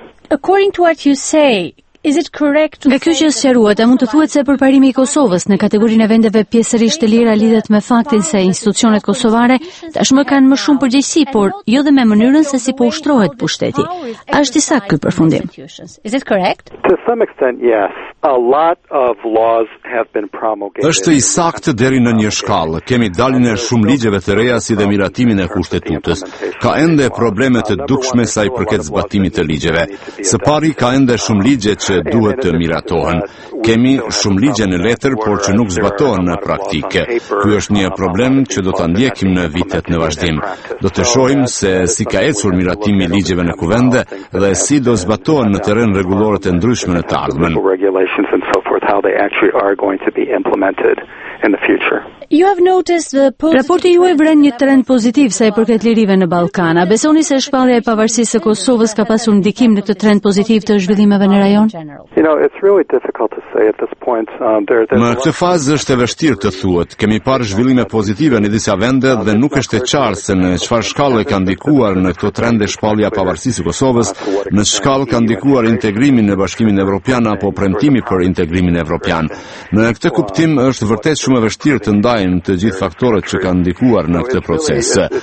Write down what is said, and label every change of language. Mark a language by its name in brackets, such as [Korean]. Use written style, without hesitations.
[English] According to what you say, is it correct? [Albanian] Nga kjo që sqaruat, a mund të thuhet se përparimi i Kosovës në kategorinë e vendeve pjesërisht të lira lidhet me faktin se institucionet kosovare tashmë kanë më shumë përgjegjësi, por jo dhe me mënyrën se si po ushtrohet pushteti. A është i saktë ky përfundim? [English] Is it correct? To some extent, yes. A lot of laws have been promulgated. [Albanian] Është i saktë deri në një shkallë. Kemi dalin e shumë ligjeve të reja si dhe miratimin e kushtetutës. Ka ende probleme të dukshme sa i përket zbatimit të ligjeve. Së pari ka ende shumë ligje që duhet të miratohen. Kemi shumë ligje në letër, por që nuk zbatohen në praktikë. Ky është një problem që do ta ndjekim në vitet në vazhdim. Do të shohim se si ka ecur miratimi i ligjeve në kuvende dhe si do zbatohen në terren rregullore të ndryshme në të ardhmen. [English] How they actually are going to be implemented in the future. You have noticed the post. [Albanian] Raporti juaj vren një trend pozitiv sa i përket lirive në Ballkan. A besoni se shpallja e pavarësisë së Kosovës ka pasur ndikim në këtë trend pozitiv të zhvillimeve në rajon? [English] You know, it's really difficult to say at this point. [Albanian] Në këtë fazë është e vështirë të thuhet. Kemi parë zhvillime pozitive në disa vende dhe nuk është e qartë se në çfarë shkallë ka ndikuar në këtë trend e shpallja e pavarësisë së Kosovës, në shkallë ka ndikuar integrimi në Bashkimin Evropian apo premtimi për integrimin evropian. Në këtë kuptim është vërtet shumë e vështirë të ndaj të gjithë faktorët që kanë ndikuar në këtë proces.